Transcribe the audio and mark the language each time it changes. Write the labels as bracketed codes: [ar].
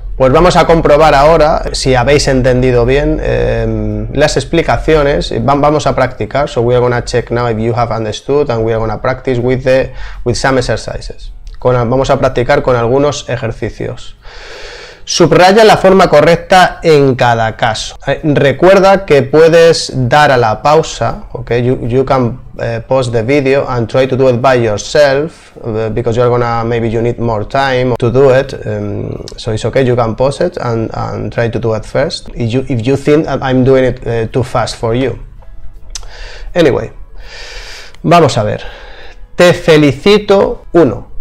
[es] Pues vamos a comprobar ahora si habéis entendido bien las explicaciones. Vamos a practicar. [en] So, we are going to check now if you have understood and we are going to practice with some exercises. [es] Vamos a practicar con algunos ejercicios. Subraya la forma correcta en cada caso. Recuerda que puedes dar a la pausa, okay? [en] You can pause the video and try to do it by yourself because you're gonna maybe you need more time to do it. So it's okay, you can pause it and try to do it first. If you think I'm doing it too fast for you. [es] Anyway, vamos a ver. Te felicito, uno.